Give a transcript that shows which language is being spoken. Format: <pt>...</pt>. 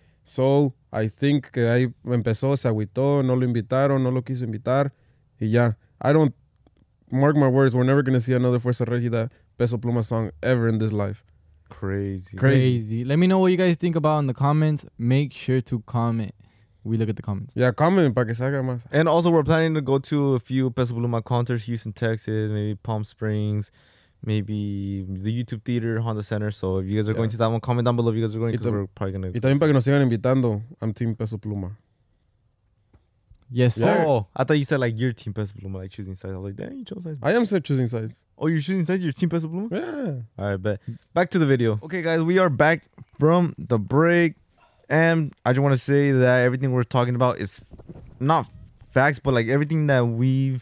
<en>So I think</en> <es>que ahí empezó, se agüitó, no lo invitaron, no lo quiso invitar. Y ya,</es> <en>I don't, mark my words, we're never gonna see another Fuerza Regida Peso Pluma song ever in this life. Crazy. Let me know what you guys think about in the comments. Make sure to comment. We look at the comments. Yeah, comment</en> <es>para que salga más.</es> <en>And also, we're planning to go to a few Peso Pluma concerts, Houston, Texas, maybe Palm Springs, maybe the YouTube Theater, Honda Center. So if you guys are going to that one, comment down below if you guys are going, because we're probably going to.</en> <es>Y también para que nos sigan invitando,</es> <en>I'm Team Peso Pluma. Yes, sir. Oh, I thought you said like your Team Peso Pluma, like choosing sides. I was like, dang, you chose sides. I am still choosing sides. Oh, you're choosing sides? You're Team Peso Pluma? Yeah. All right, bet. Back to the video. Okay, guys, we are back from the break. And I just want to say that everything we're talking about is not facts, but like everything that we've...</en>